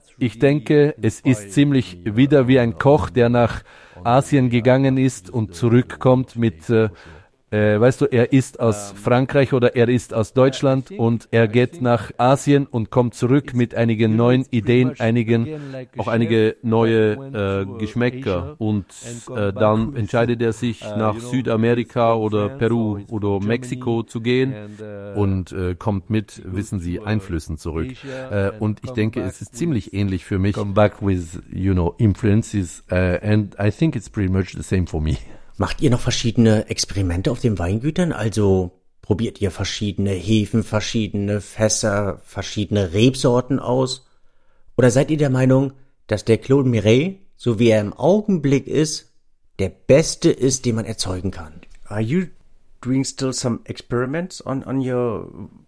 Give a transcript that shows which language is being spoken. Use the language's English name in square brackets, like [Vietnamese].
[German] Ich denke, es ist ziemlich wieder wie ein Koch, der nach Asien gegangen ist und zurückkommt mit weißt du, er ist aus Frankreich oder er ist aus Deutschland und er geht nach Asien und kommt zurück mit einigen neuen Ideen, einige neue Geschmäcker. Und dann entscheidet er sich, nach Südamerika oder Peru oder Mexiko zu gehen und kommt mit, wissen Sie, Einflüssen zurück. Und ich denke, es ist ziemlich ähnlich für mich. [English] Come back with, you know, influences and I think it's pretty much the same for me. [German] Macht ihr noch verschiedene Experimente auf den Weingütern? Also probiert ihr verschiedene Hefen, verschiedene Fässer, verschiedene Rebsorten aus? Oder seid ihr der Meinung, dass der Claude Mireille, so wie er im Augenblick ist, der beste ist, den man erzeugen kann? [English] Are you doing still some experiments on your